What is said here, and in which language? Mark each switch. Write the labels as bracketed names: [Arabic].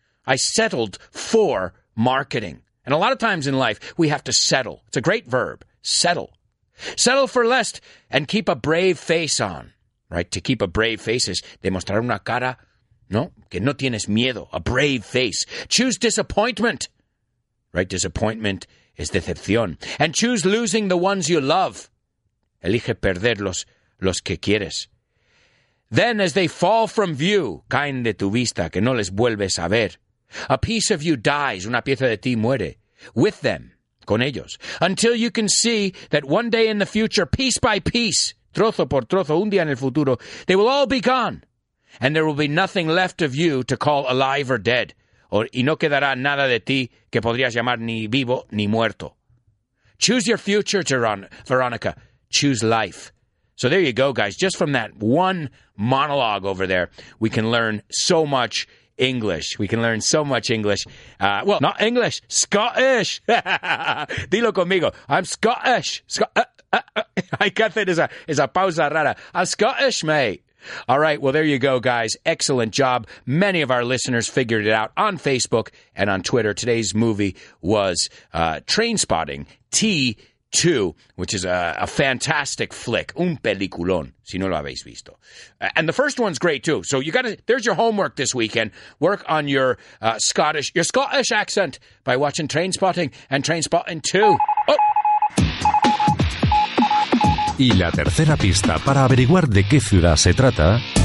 [English] I settled for marketing. And a lot of times in life, we have to settle. It's a great verb. Settle. Settle for less and keep a brave face on, right? To keep a brave face is [Spanish] demostrar una cara, ¿no? Que no tienes miedo. [English] A brave face. Choose disappointment, right? Disappointment is decepción. And choose losing the ones you love. [Spanish] Elige perder los que quieres. [English] Then as they fall from view, [Spanish] caen de tu vista, que no les vuelves a ver. [English] A piece of you dies, [Spanish] una pieza de ti muere, [English] with them, [Spanish] con ellos, [English] until you can see that one day in the future, piece by piece, [Spanish] trozo por trozo, un día en el futuro, [English] they will all be gone, and there will be nothing left of you to call alive or dead, [Spanish] y no quedará nada de ti que podrías llamar ni vivo ni muerto. [English] Choose your future, Veronica, choose life. So there you go, guys, just from that one monologue over there, we can learn so much English. We can learn so much English. Well, not English. Scottish. [Spanish] Dilo conmigo. [English] I'm Scottish. [Spanish] Hay que hacer esa pausa rara. [English] I'm Scottish, mate. All right. Well, there you go, guys. Excellent job. Many of our listeners figured it out on Facebook and on Twitter. Today's movie was Trainspotting T2, which is a fantastic flick. [Spanish] Un peliculón, si no lo habéis visto. [English] And the first one's great, too. So you got to, there's your homework this weekend. Work on your Scottish accent by watching Trainspotting and Trainspotting 2. Oh. [Spanish] Y la tercera pista para averiguar de qué ciudad se trata.